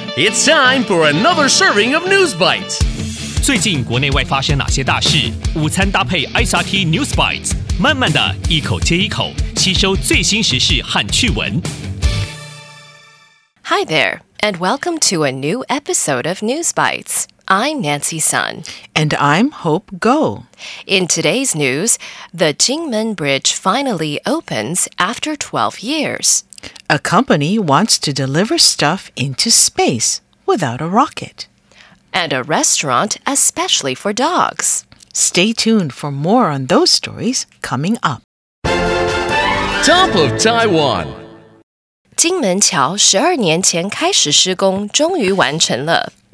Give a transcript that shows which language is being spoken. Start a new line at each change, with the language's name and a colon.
English: It's time for another serving of News Bites.
Chinese: 最近国内外发生哪些大事？午餐搭配 SRT News Bites， 慢慢的一口接一口，吸收最新时事和趣闻。
English: Hi there, and welcome to a new episode of News Bites. I'm Nancy Sun. And I'm Hope Go. In today's news, the Kinmen Bridge finally opens after 12 years. A company wants to deliver stuff into space without a rocket. And a restaurant especially for dogs. Stay tuned for more on those stories coming up. Top of Taiwan.
Chinese: 金门桥12年前开始施工终于完成了。